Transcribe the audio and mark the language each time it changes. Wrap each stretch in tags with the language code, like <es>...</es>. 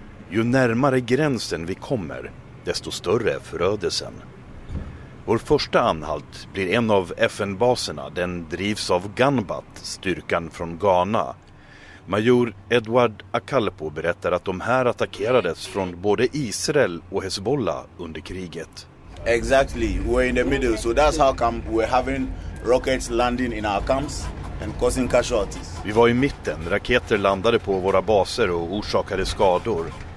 <sv>Ju närmare gränsen vi kommer, desto större är förödelsen. Vår första anhalt blir en av FN-baserna. Den drivs av Ganbat, styrkan från Ghana. Major Edward Akalpo berättar att de här attackerades från både Israel och Hezbollah under kriget.</sv> <en>Exactly, we're in the middle, so that's how come we're having rockets landing in our camps and causing casualties.</en> <sv>Vi var i mitten, raketer landade på våra baser och orsakade skador.</sv>